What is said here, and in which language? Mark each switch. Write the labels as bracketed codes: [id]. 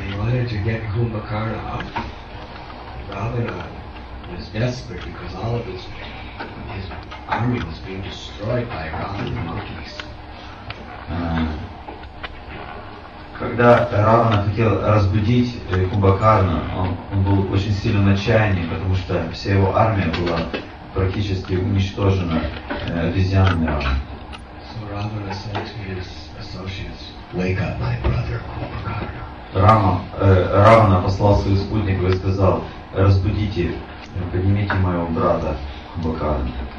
[en] To get Kumbhakarna off, Ravana was desperate because all of his army was being destroyed by Ravana monkeys. [ru] Когда Равана хотел разбудить Кумбхакарну, он был очень сильно в отчаянии, потому что вся его армия была практически уничтожена обезьянами Равана. [en] So Ravana said to his associates, "Wake up, my brother Kumbhakarna." [ru] Равана послал свою спутнику и сказал, разбудите, поднимите моего брата Кумбхакарну.